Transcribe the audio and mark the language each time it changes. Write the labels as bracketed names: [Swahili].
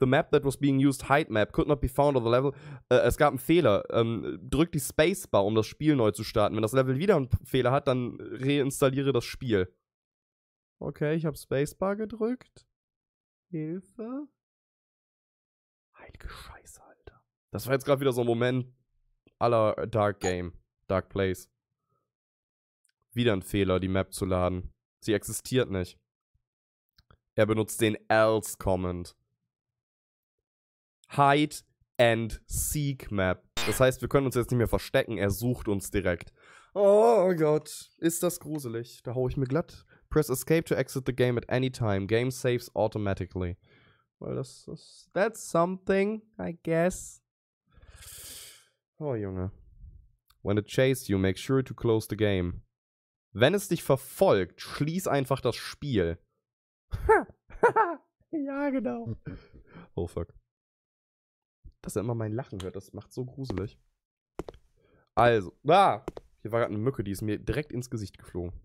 [English] The map that was being used, height map, could not be found on the level. [German] Es gab einen Fehler. Drück die Spacebar, um das Spiel neu zu starten. Wenn das Level wieder einen Fehler hat, dann reinstalliere das Spiel. Okay, ich habe Spacebar gedrückt. Hilfe? Heilige Scheiße, Alter. Das war jetzt gerade wieder so ein Moment aller [English] Dark Game, Dark Place. [German] Wieder ein Fehler, die Map zu laden. Sie existiert nicht. Er benutzt den Else Command. [English] Hide and Seek Map. [German] Das heißt, wir können uns jetzt nicht mehr verstecken, er sucht uns direkt. Oh Gott, ist das gruselig. Da hau ich mir glatt. [English] Press escape to exit the game at any time. Game saves automatically. Well, that's something, I guess. [German] Oh, Junge. [English] When it chases you, make sure to close the game. [German] Wenn es dich verfolgt, schließ einfach das Spiel. Ja, genau. [English] Oh, fuck. [German] Dass er immer mein Lachen hört, das macht so gruselig. Also, ah! Hier war gerade eine Mücke, die ist mir direkt ins Gesicht geflogen.